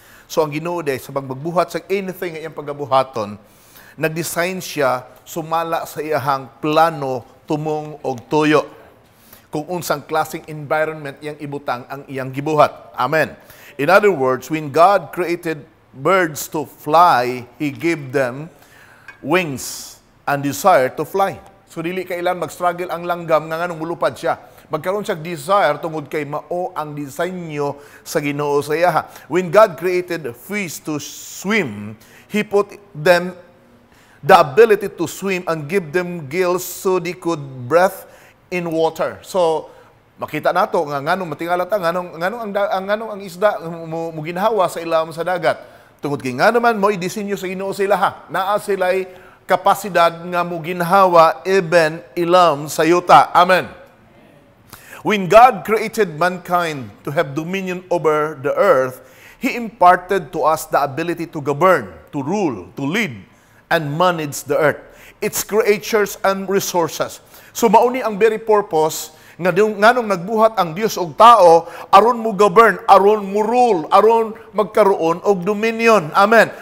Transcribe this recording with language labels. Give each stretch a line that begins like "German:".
Cebuano: So ang Ginoo dai sa pagbuhat sa anything ang pagbuhaton, nag-design siya sumala sa iyang plano tumong og tuyo. Kung unsang klaseng environment iyang ibutang ang iyang gibuhat. Amen.
English: In other words, when God created birds to fly, He gave them wings and desire to fly.
Cebuano: So dili kailan mag-struggle ang langgam nga nganong mulupad siya. Magkaroon siya desire tungod kay mao ang design nyo sa Ginoo sa iyaha.
English: When God created fish to swim, He put them the ability to swim and give them gills so they could breathe in water.
Cebuano: So makita nato nga nganong matingala ta nganong ang isda muginhawa sa ilawom sa dagat. Tungod kay ngano man mo i-design sa Ginoo sa iyaha. Naa sila'y kapasidad nga muginhawa even ilawom sa yuta. Amen.
English: When God created mankind to have dominion over the earth, He imparted to us the ability to govern, to rule, to lead, and manage the earth, its creatures and resources.
Cebuano: So mauni ang very purpose nganong nagbuhat ang Dios og tao aron mo govern, aron mo rule, aron magkaroon og dominion. Amen.